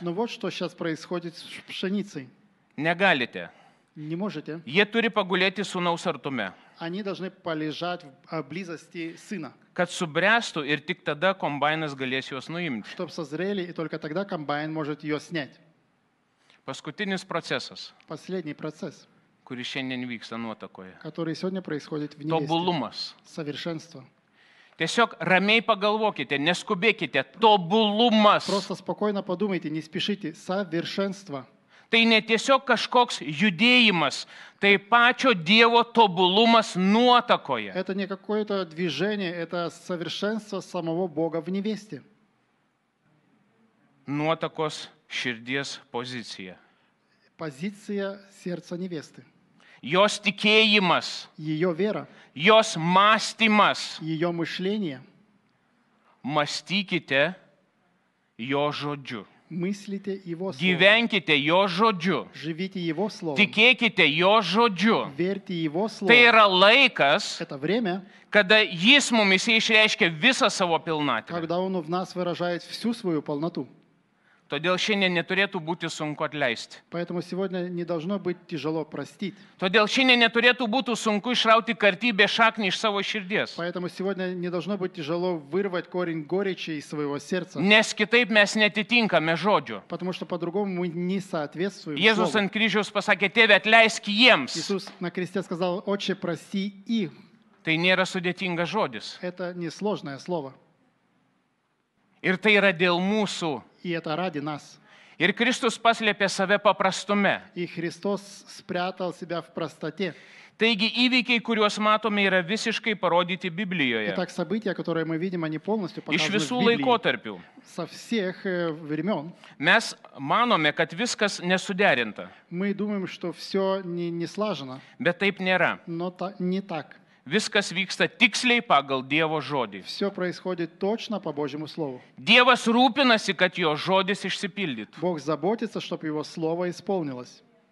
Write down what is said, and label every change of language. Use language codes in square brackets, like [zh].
[ru] Но вот что сейчас происходит с пшеницей. [lt] Negalite. [ru] Не можете. [lt] Jie turi pagulėti sūnaus artume. [ru] Они должны полежать в близости сына. [lt] Kad subręstų ir tik tada kombainas galės juos nuimti. [ru] Чтоб созрели и только тогда комбайн может её снять. [lt] Paskutinis procesas. [ru] Последний процесс. [lt] Kuris šiandien vyksta nuotakoje. [ru] Который сегодня происходит в невесте. [lt] Tobulumas. [ru] Совершенство. [lt] Tiesiog ramiai pagalvokite, neskubėkite. Tobulumas. [ru] Просто спокойно подумайте, не спешите. Совершенство. [lt] Tai ne tiesiog kažkoks judėjimas, tai pačio Dievo tobulumas nuotakoje. [ru] Это не какое-то движение, это совершенство самого Бога в невесте. [lt] Nuotakos širdies pozicija. [ru] Позиция сердца невесты. [lt] Jos tikėjimas. [ru] Её вера. [lt] Jos mąstymas. [ru] Её мышление. [lt] Mąstykite jo žodžiu. [ru] Мыслите его словом. [lt] Gyvenkite jo žodžiu. [ru] Живите его словом. [lt] Tikėkite jo žodžiu. [ru] Верьте его словом. [lt] Tai yra laikas, [ru] это время, [lt] kada jis mumis išreiškia visą savo pilnatvę. [ru] Когда он в нас выражает всю свою полноту. [lt] Todėl šiandien neturėtų būti sunku atleisti. [ru] Поэтому сегодня не должно быть тяжело простить. [lt] Todėl šiandien neturėtų būti sunku išrauti kartybės šaknį iš savo širdies. [ru] Поэтому сегодня не должно быть тяжело вырвать корень горечи из своего сердца. [lt] Nes kitaip mes netitinkame žodžio. [ru] Потому что по-другому мы не соответствуем. [lt] Jėzus ant kryžiaus pasakė: "Tėve, atleisk jiems." [ru] Иисус на кресте сказал: "Отче, прости их." [lt] Tai nėra sudėtingas žodis. [ru] Это не сложное слово. [lt] Ir tai yra dėl mūsų. [ru] И это ради нас. [lt] Ir Kristus paslėpė save paprastume. [ru] И Христос спрятал себя в простоте. [lt] Taigi įvykiai, kuriuos matome, yra visiškai parodyti Biblijoje. [ru] Итак, события, которые мы видим, они полностью показаны. [lt] Iš visų laikotarpių. [ru] Со всех времён. [lt] Mes manome, kad viskas nesuderinta. [ru] Мы думаем, что всё не слажено. [lt] Bet taip nėra. [ru] Но не так. [lt] Viskas vyksta tiksliai pagal Dievo žodį. [ru] Всё происходит точно по Божьему слову. [lt] Dievas rūpinasi, kad jo žodis išsipildytų. [ru] Бог заботится, чтобы его слово исполнилось.